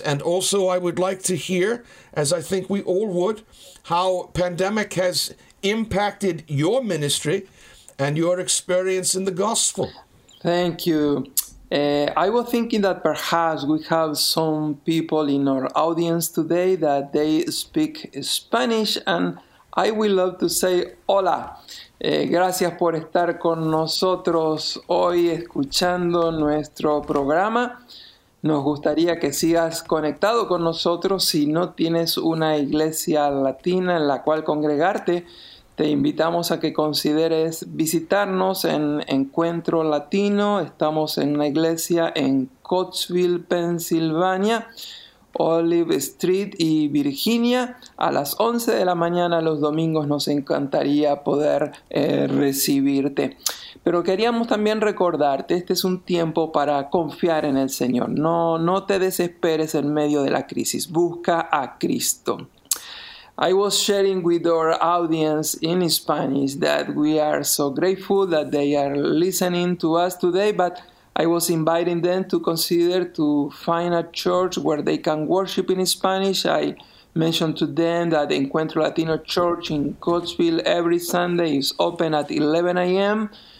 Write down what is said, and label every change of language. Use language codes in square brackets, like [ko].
[en] And also, I would like to hear, as I think we all would, how pandemic has impacted your ministry and your experience in the gospel. Thank you. I was thinking that perhaps we have some people in our audience today that they speak Spanish, and I would love to say hola. [es] Gracias por estar con nosotros hoy escuchando nuestro programa. Nos gustaría que sigas conectado con nosotros. Si no tienes una iglesia latina en la cual congregarte, te invitamos a que consideres visitarnos en Encuentro Latino. Estamos en una iglesia en Cottsville, Pensilvania, Olive Street y Virginia. A las 11 de la mañana los domingos nos encantaría poder recibirte. Pero queríamos también recordarte, este es un tiempo para confiar en el Señor. No te desesperes en medio de la crisis, busca a Cristo. [en] I was sharing with our audience in Spanish that we are so grateful that they are listening to us today, but I was inviting them to consider to find a church where they can worship in Spanish. I mentioned to them that the Encuentro Latino Church in Cottsville every Sunday is open at 11 a.m.